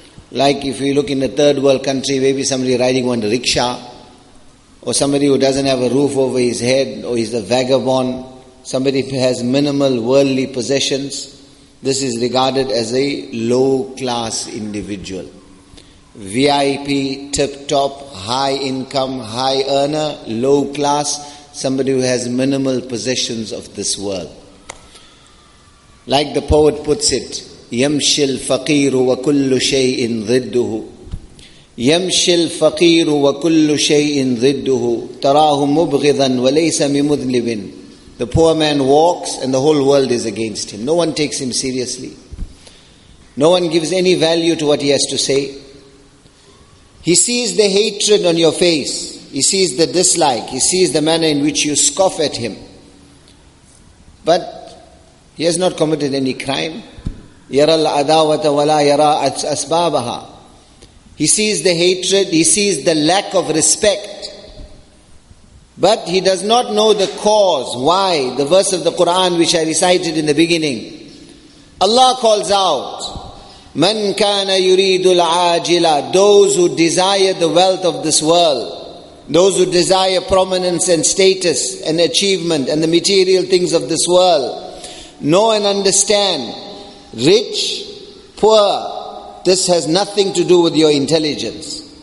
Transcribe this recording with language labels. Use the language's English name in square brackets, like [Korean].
[English] Like if you look in a third world country, maybe somebody riding on the rickshaw, or somebody who doesn't have a roof over his head, or is a vagabond, somebody who has minimal worldly possessions, this is regarded as a low-class individual. VIP, tip-top, high-income, high-earner, low-class, somebody who has minimal possessions of this world. Like the poet puts it, [Arabic] يَمْشِلْ فَقِيرُ وَكُلُّ شَيْءٍ ضِدُّهُ يمشي الفقير وكل شيء ضده تراه مبغضا وليس بمذنب. [English] The poor man walks and the whole world is against him. No one takes him seriously. No one gives any value to what he has to say. He sees the hatred on your face. He sees the dislike. He sees the manner in which you scoff at him. But he has not committed any crime. [Arabic] يَرَى الْعَدَاوَةَ وَلَا يَرَى أَسْبَابَهَا. [English] He sees the hatred, he sees the lack of respect. But he does not know the cause, why. The verse of the Qur'an which I recited in the beginning. Allah calls out, [Arabic] مَنْ كَانَ يُرِيدُ الْعَاجِلَ. [English] Those who desire the wealth of this world, those who desire prominence and status and achievement and the material things of this world, know and understand, rich, poor, this has nothing to do with your intelligence.